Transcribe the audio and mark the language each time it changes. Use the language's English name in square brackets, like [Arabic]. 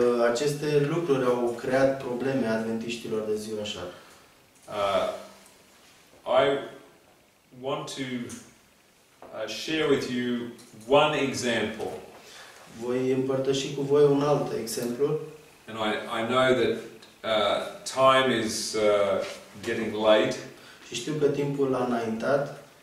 [Romanian] Aceste lucruri au creat probleme adventiștilor de ziua așa. [English] I want to share with you one example. [Romanian] Voi împărtăși cu voi un alt exemplu. [English] And I know that time is getting late. [Romanian] Și știu că timpul a înaintat.